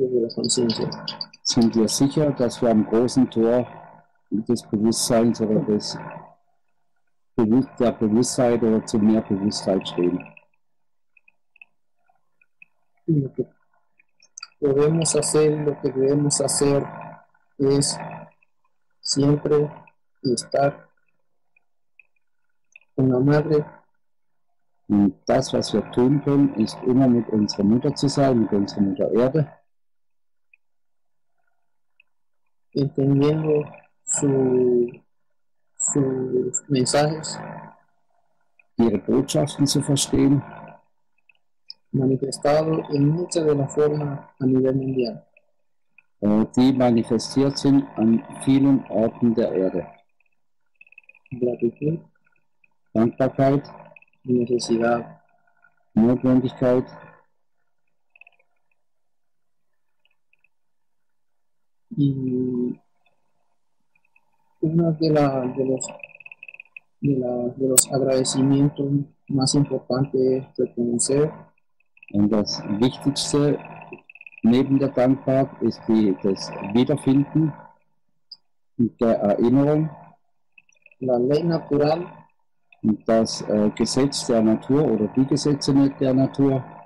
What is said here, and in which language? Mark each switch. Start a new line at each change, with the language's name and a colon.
German: Sind wir sicher, dass wir am großen Tor des Bewusstseins oder des der Bewusstheit oder zu mehr Bewusstheit stehen.
Spanish: Podemos hacer lo que debemos hacer es siempre estar con la madre.
German: Und das, was wir tun können, ist immer mit unserer Mutter zu sein, mit unserer Mutter Erde.
Spanish: Entendiendo sus mensajes,
German: ihre Botschaften zu verstehen,
Spanish: manifestado en muchas de las formas a nivel mundial,
German: die manifestiert sind an vielen Orten der Erde.
Spanish: Gratitud,
German: Dankbarkeit,
Spanish: Necesidad,
German: Notwendigkeit,
Spanish: y una de los agradecimientos más importantes es reconocer.
German: Und das Wichtigste neben der Dankbarkeit ist das Wiederfinden und der Erinnerung.
Spanish: La ley natural.
German: Und das Gesetz der Natur oder die Gesetze der Natur.